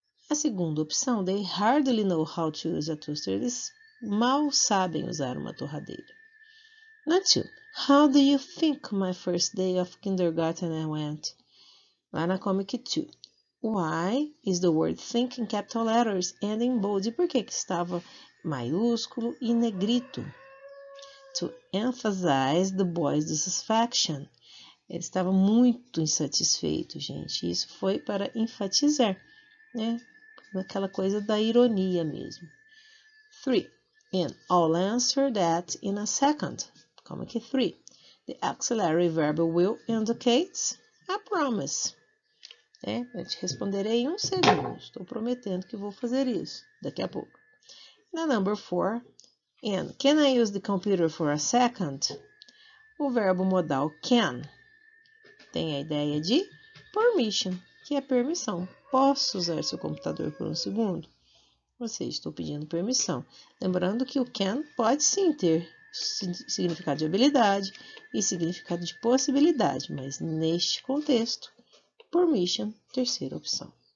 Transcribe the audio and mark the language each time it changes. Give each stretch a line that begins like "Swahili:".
Portuguese: A segunda opção,
English: they hardly know how to use a toaster,
Portuguese: eles mal sabem usar uma torradeira.
English: Number 2. How do you think my first day of kindergarten I went?
Portuguese: Lá na
English: comic 2. Why is the word think in capital letters and in bold?
Portuguese: E por que que estava maiúsculo e negrito?
English: To emphasize the boy's dissatisfaction.
Portuguese: Ele estava muito insatisfeito, gente. Isso foi para enfatizar, né? Aquela coisa da ironia mesmo. 3.
English: And I'll answer that in a second. Comic 3. The auxiliary verb will indicates a promise.
Portuguese: É, eu te responderei em um segundo. Estou prometendo que vou fazer isso daqui a pouco.
English: Na number 4. And can I use the computer for a second?
Portuguese: O verbo modal can tem a ideia de permission, que é permissão. Posso usar seu computador por um segundo? Ou seja, estou pedindo permissão. Lembrando que o can pode sim ter significado de habilidade e significado de possibilidade, mas neste contexto, permission, terceira opção.